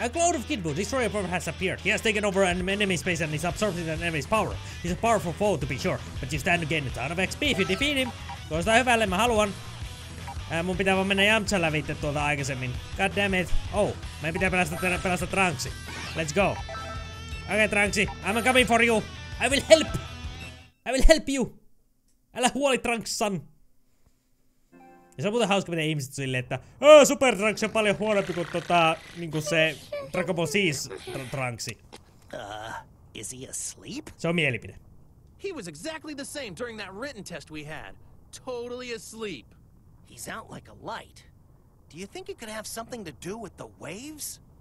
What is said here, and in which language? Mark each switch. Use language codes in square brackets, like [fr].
[en] A cloud of Kid Buu, destroyer power has appeared. He has taken over an enemy space and is absorbing an enemy's power. He's a powerful foe to be sure, but you stand to gain a ton of XP if you defeat him. [fi] Kuulostaa hyvälle, mä haluan. Mun pitää vaan mennä Yamcha lävitte tuolta aikaisemmin. [en] God damn it. [fi] Oh, mä pitää pelastaa Trunksi. [en] Let's go. Okay, Trunksi, I'm coming for you. I will help you. [fi] Älä huoli, [en] Trunks-san. [fi] Ja se on muuten hauska, miten ihmiset silleen, että Super Trunks on paljon huonompi kuin niin kuin se Dragon Ball Z-Trunksi. [en] Is he asleep? [fi] Se on mielipide. [en] He was exactly the same during that written test we had. Totally asleep. He's out like a light. Do you think it could have something to do with the waves?